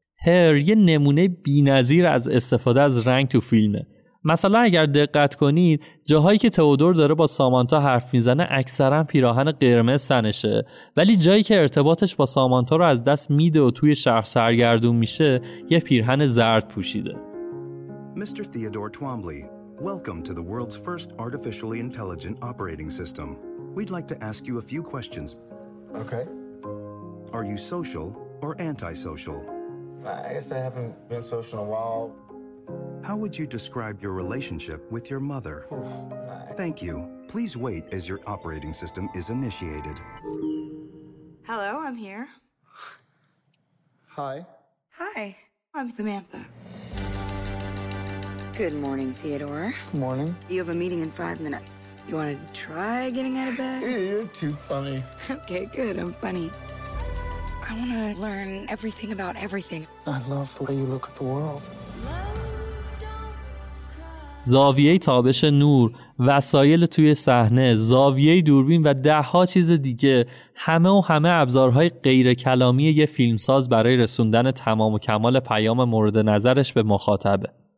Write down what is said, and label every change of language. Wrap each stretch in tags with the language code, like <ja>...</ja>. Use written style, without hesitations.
<fa>هر یه نمونه بی‌نظیر از استفاده از رنگ تو فیلمه. مثلا اگر دقت کنید، جاهایی که تئودور داره با سامانتا حرف میزنه اکثرا پیراهن قرمز تنشه، ولی جایی که ارتباطش با سامانتا رو از دست میده و توی شهر سرگردون میشه، یه پیرهن زرد پوشیده.</fa> <en>Mr. Theodore Twombly. Welcome to the world's first artificially intelligent operating system. We'd like to ask you a few questions. Okay. Are you social or antisocial? I guess I haven't been social in a while. How would you describe your relationship with your mother? Thank you. Please wait as your operating system is initiated. Hello, I'm here. Hi. Hi, I'm Samantha. Good morning, Theodore. Good morning. You have a meeting in 5 minutes. You want to try getting out of bed? You're too funny. Okay, good. I'm funny. I want to learn everything about everything. I love the way you look at the world.</en> <fa>زاویه تابش نور، وسایل توی صحنه، زاویه دوربین و ده ها چیز دیگه، همه و همه ابزارهای غیر کلامی یه فیلمساز برای رسوندن تمام و کمال پیام مورد نظرش به مخاطبه.</fa>